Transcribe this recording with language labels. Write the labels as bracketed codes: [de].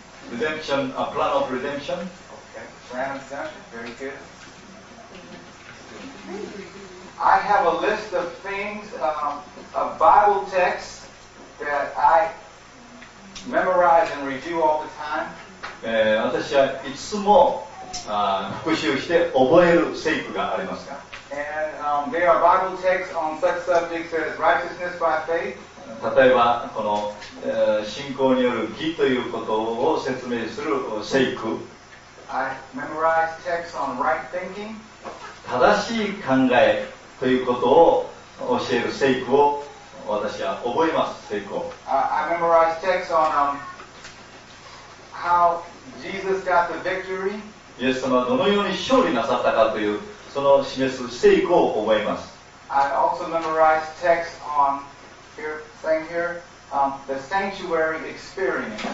[en] Redemption, a plan of redemption. Okay, plan of redemption, very good. I have a list of things, of Bible texts that I memorize and review all the time. [ja] 私はいつも復習して覚える性格がありますか? [en] And there are Bible texts on such subjects as righteousness by faith. [ja] 例えばこの信仰による義ということを説明する聖句。 [en] I memorize texts on right thinking. [ja] 正しい考えということを教える聖句を私は覚えます。聖句を。 [en] I memorize texts on how Jesus got the victory. [ja] イエス様はどのように勝利なさったかというその示す聖句を覚えます。 [en] I also memorize texts on here, the sanctuary experience.